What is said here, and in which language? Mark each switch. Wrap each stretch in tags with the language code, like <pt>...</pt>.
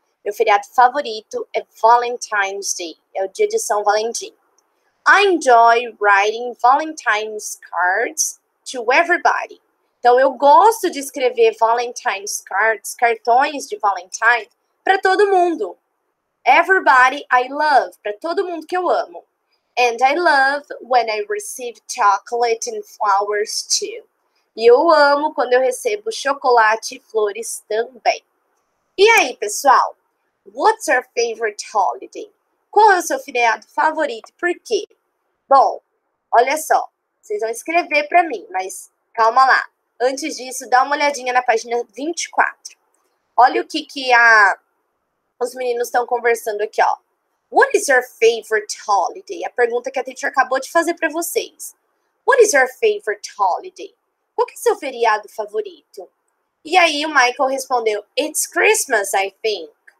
<pt>Meu feriado favorito é Valentine's Day. É o dia de São Valentim.</pt> <en>I enjoy writing Valentine's cards to everybody.</en> <pt>Então, eu gosto de escrever Valentine's cards, cartões de Valentine, para todo mundo.</pt> <en>Everybody I love,</en> <pt>para todo mundo que eu amo.</pt> <en>And I love when I receive chocolate and flowers too.</en> <pt>E eu amo quando eu recebo chocolate e flores também. E aí, pessoal?</pt> <en>What's your favorite holiday?</en> <pt>Qual é o seu feriado favorito? Por quê? Bom, olha só. Vocês vão escrever para mim, mas calma lá. Antes disso, dá uma olhadinha na página 24. Olha o que os meninos estão conversando aqui, ó.</pt> <en>What is your favorite holiday?</en> <pt>A pergunta que a teacher acabou de fazer para vocês.</pt> <en>What is your favorite holiday?</en> <pt>Qual que é seu feriado favorito? E aí o Michael respondeu,</pt> <en>it's Christmas, I think.</en>